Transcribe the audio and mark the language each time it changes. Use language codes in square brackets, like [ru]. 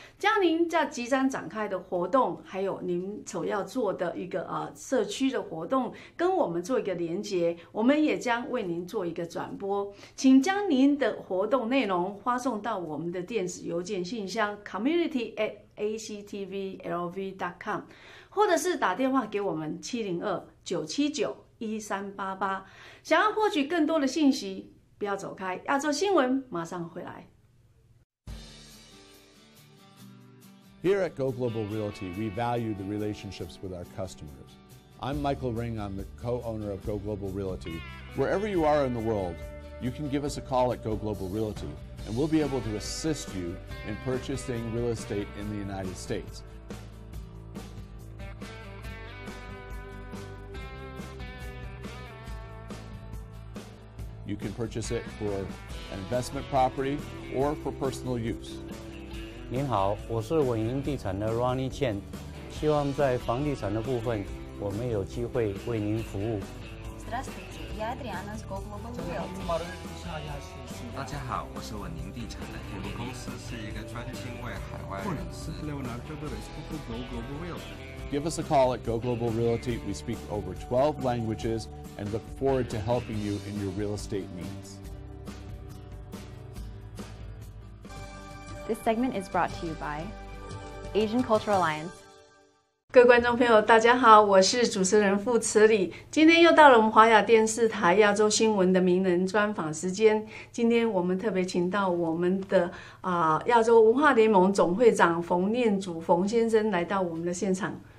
[zh] 将您在即将展开的活动还有您所要做的一个社区的活动跟我们做一个连结，我们也将为您做一个转播，请将您的活动内容发送到我们的电子邮件信箱 community@actvlv.com 或者是打电话给我们702-979-1388，想要获取更多的信息，不要走开，亚洲新闻马上回来。 [en] Here at Go Global Realty, we value the relationships with our customers. I'm Michael Ring, I'm the co-owner of Go Global Realty. Wherever you are in the world, you can give us a call at Go Global Realty, and we'll be able to assist you in purchasing real estate in the United States. You can purchase it for an investment property or for personal use. [zh] 您好，我是稳盈地产的 Ronnie Chen， 希望在房地产的部分，我们有机会为您服务。 [ru] Здравствуйте, я Адриана с Go Global [en] Realty。 [zh] 大家好，我是稳盈地产的。我们公司是一个专门为海外人士。 [en] Leonardo Perez with Go Global Realty。 Give us a call at Go Global Realty. We speak over 12 languages and look forward to helping you in your real estate needs. This segment is brought to you by Asian Cultural Alliance. [zh] 各位观众朋友大家好，我是主持人傅慈礼。今天又到了我们华亚电视台亚洲新闻的名人专访时间。今天我们特别请到我们的亚洲文化联盟总会长冯念祖冯先生来到我们的现场。